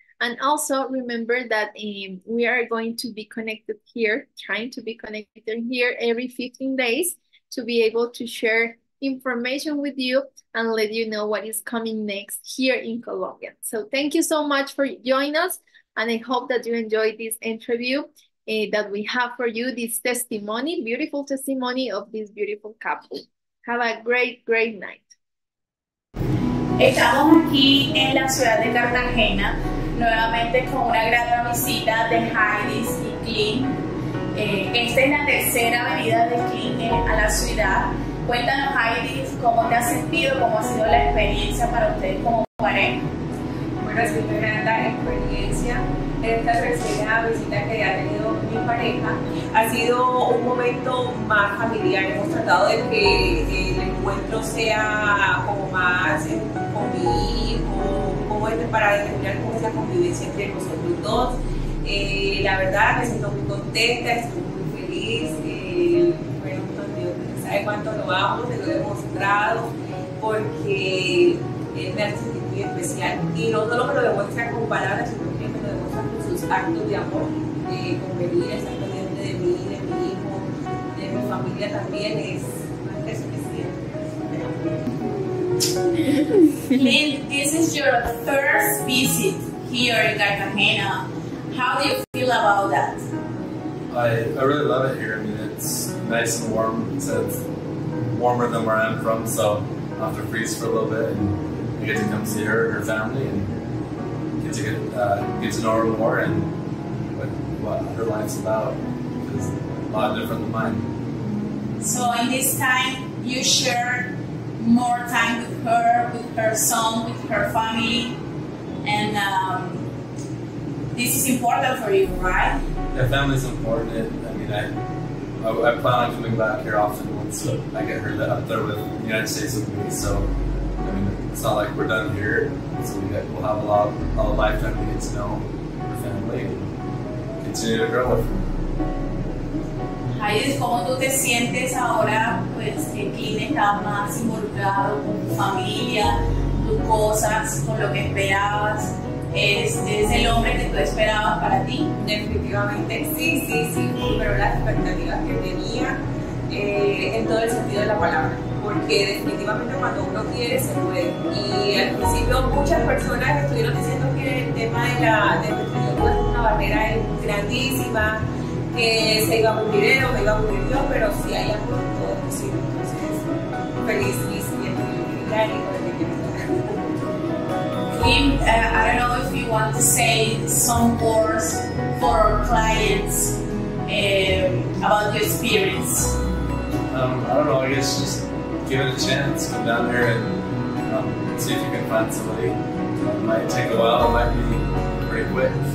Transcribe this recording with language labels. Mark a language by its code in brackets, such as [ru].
[en] And also remember that we are going to be connected here, trying to be connected here every 15 days to be able to share information with you and let you know what is coming next here in Colombia. So thank you so much for joining us. And I hope that you enjoyed this interview that we have for you, this testimony, beautiful testimony of this beautiful couple. Have a great, great night. [es] Estamos aquí en la ciudad de Cartagena, nuevamente con una grata visita de Hades y Clint. Esta es la tercera venida de Clint a la ciudad. Cuéntanos, Hades, ¿cómo te has sentido? ¿Cómo ha sido la experiencia para ustedes como pareja? Bueno, es una grata experiencia. Esta tercera visita que ha tenido mi pareja ha sido un momento más familiar. Hemos tratado de que el encuentro sea como más con mi hijo, como este, para determinar cómo es la convivencia entre nosotros dos. La verdad, me siento muy contenta, estoy muy feliz. Bueno, Dios sabe cuánto lo amo, te lo he demostrado, porque él me hace sentir muy especial. Y no solo me lo demuestra con palabras, sino que me lo demuestra con sus actos de amor, con venir exactamente de mí, de mi hijo, de mi familia también. Es especial. [en] Lynn, this is your first visit here in Cartagena. How do you feel about that? I really love it here. I mean, it's nice and warm. It's warmer than where I'm from, so I'll have to freeze for a little bit. And you get to come see her and her family and get to know her more and what her life's about. It's a lot different than mine. So in this time, you share more time with her son, with her family, and this is important for you, right? Yeah, family's important. I mean, I plan on coming back here often once I get her up there with the United States with me. So, I mean, it's not like we're done here. So we'll have a lot of lifetime to get to know her family and continue to grow with her. [es] Hayes, ¿cómo tú te sientes ahora, pues, que Clint está más involucrado con tu familia, tus cosas, con lo que esperabas? ¿Es el hombre que tú esperabas para ti? Definitivamente, sí, superó las expectativas que tenía en todo el sentido de la palabra. Porque definitivamente cuando uno quiere, se puede. Y al principio muchas personas estuvieron diciendo que el tema de la educación es una barrera grandísima, que se iba a morir él o me iba a morir yo, pero si hay algo, todo es posible. Entonces, feliz y siguiente lugar. [en] I don't know if you want to say some words for our clients about your experience. I don't know, I guess just give it a chance. Come down here and see if you can find somebody. It might take a while, it might be pretty quick.